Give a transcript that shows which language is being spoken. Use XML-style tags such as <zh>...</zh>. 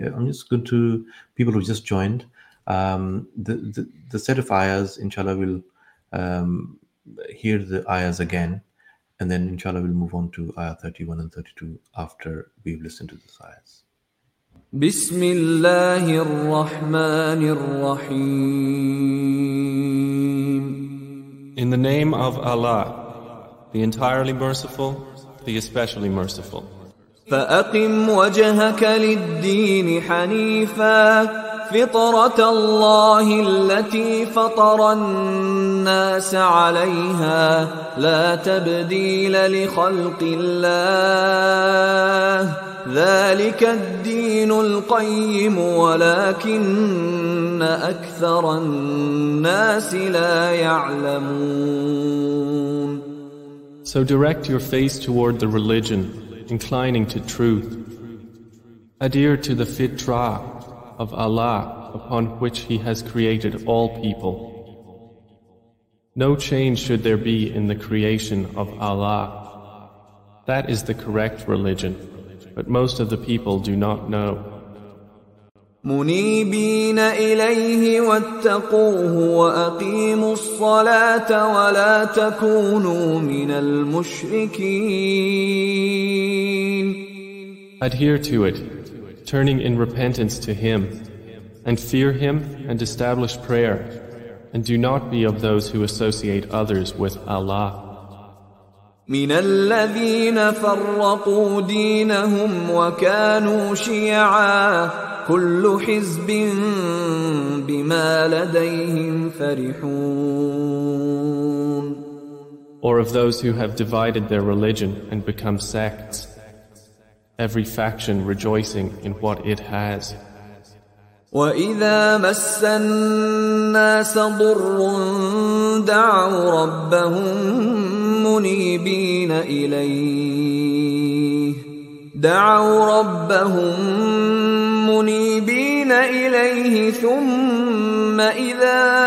<en>I'm just good to people who just joined. The set of ayahs, inshallah, we'll hear the ayahs again, and then inshallah we'll move on to ayah 31 and 32 after we've listened to the ayahs.</en> <ar>بسم الله الرحمن الرحيم.</ar> <en>In the name of Allah, the entirely merciful, the especially merciful.</en> <ar>فأقم وجهك للدين حنيفا فطرة الله التي فطر الناس عليها لا تبديل لخلق الله ذلك الدين القيم ولكن أكثر الناس لا يعلمون.</ar> <en>So direct your face toward the religion, inclining to truth. Adhere to the fitrah of Allah upon which He has created all people. No change should there be in the creation of Allah. That is the correct religion. But most of the people do not know.</en> <ar>منيبين إليه واتقوه وأقيموا الصلاة ولا تكونوا من المشركين.</ar> <en>Adhere to it, turning in repentance to Him, and fear Him and establish prayer, and do not be of those who associate others with Allah.</en> <ar>من الذين فرقوا دينهم وكانوا شيعا كل حزب بما لديهم فرحون.</ar> <en>Or of those who have divided their religion and become sects, every faction rejoicing in what it has.</en> <ar>وَإِذَا مَسَّ النَّاسَ ضُرٌّ دَعَوْا رَبَّهُمْ مُنِيبِينَ إِلَيْهِ دَعَوْا رَبَّهُمْ مُنِيبِينَ إِلَيْهِ ثُمَّ إِذَا</ar>